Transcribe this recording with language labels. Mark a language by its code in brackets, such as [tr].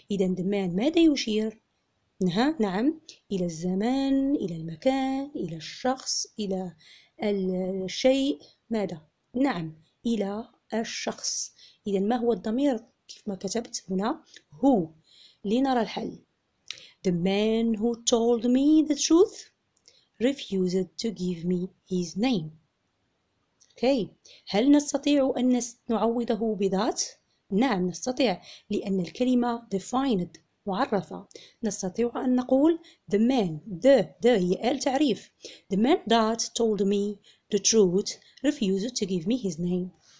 [ar] إذن [en] the man [ar] ماذا يشير؟ نعم، إلى الزمان، إلى المكان، إلى الشخص، إلى الشيء، ماذا؟ نعم، إلى الشخص. إذن ما هو الضمير كيف ما كتبت هنا؟ هو. لنرى الحل. [en] The man who told me the truth refused to give me his name. Okay. [ar] هل نستطيع أن نعوضه بذات؟ نعم نستطيع، لأن الكلمة defined معرفة. نستطيع أن نقول [en] the man. [ar] The هي آل تعريف. [en] The man that told me the truth refused to give me his name.